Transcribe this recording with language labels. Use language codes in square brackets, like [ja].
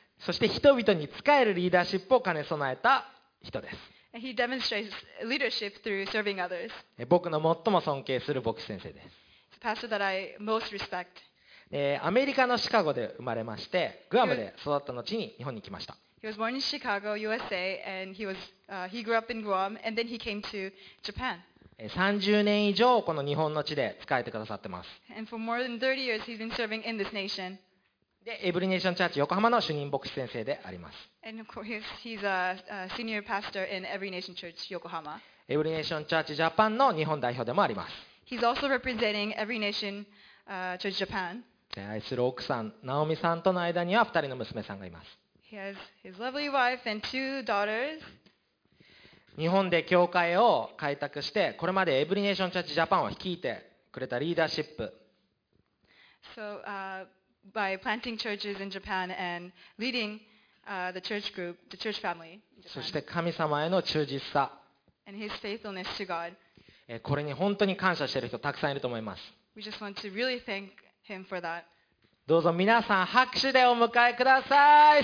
[ja] そして人々に使えるリーダーシップを兼ね備えた人です。 [en] He demonstrates leadership through serving others. [ja] 僕の最も尊敬する牧師先生です。 [en] It's a pastor that I most respect. [ja] アメリカのシカゴで生まれまして、グアムで育った後に日本に来ました。 [en] He was born in Chicago, USA, and he was, he grew up in Guam, and then he came to Japan. [ja] 30年以上この日本の地で仕えてくださってます。 [en] And for more than 30 years, he's been serving in this nation. [ja] でエブリネーションチャーチ横浜の主任牧師先生であります。 [en] And of course, he's a senior pastor in Every Nation Church Yokohama. [ja] エブリネーションチャーチジャパンの日本代表でもあります。 [en] He's also representing Every Nation Church Japan. [ja] 愛する奥さん、ナオミさんとの間には二人の娘さんがいます。 [en] He has his lovely wife and two daughters. [ja] 日本で教会を開拓してこれまでエブリネーションチャーチジャパンを率いてくれたリーダーシップ、 [en] So, by planting churches in Japan and leading the church group, the church family. [ja] そして神様への忠実さ。 [en] And his faithfulness to God. [ja] これに本当に感謝している人たくさんいると思います。 [en] We just want to really thank him for that. [ja] どうぞ皆さん拍手でお迎えください。